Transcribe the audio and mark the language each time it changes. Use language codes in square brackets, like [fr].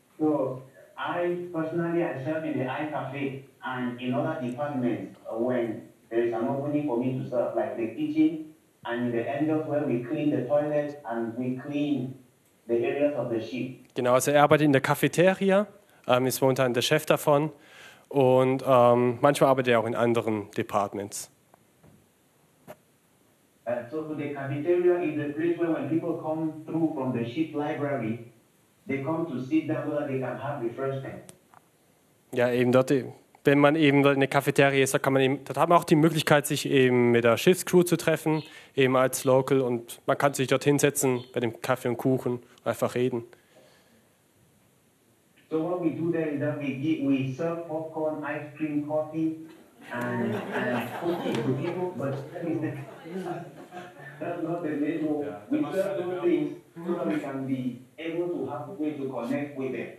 [en] So I personally, I serve in the iCafe and in other departments when there is an opening for me to serve, like the kitchen and in the end of where we clean the toilets and we clean the areas of the ship. [de] Genau, also er arbeitet in der Cafeteria, ist momentan der Chef davon und manchmal arbeitet er auch in anderen Departments. [en] So the cafeteria is the place where when people come through from the ship library They come to sit down so that they can have refreshment. [de] Ja, eben dort, wenn man eben in der Cafeteria ist, da kann man eben, da hat man auch die Möglichkeit, sich eben mit der Schiffscrew zu treffen, eben als Local, und man kann sich dort hinsetzen bei dem Kaffee und Kuchen, einfach reden. [en] So what we do there is that we serve popcorn, ice cream, coffee and cookies to people, but that's not the menu. We serve those things so that we can be able to have a way to connect with them.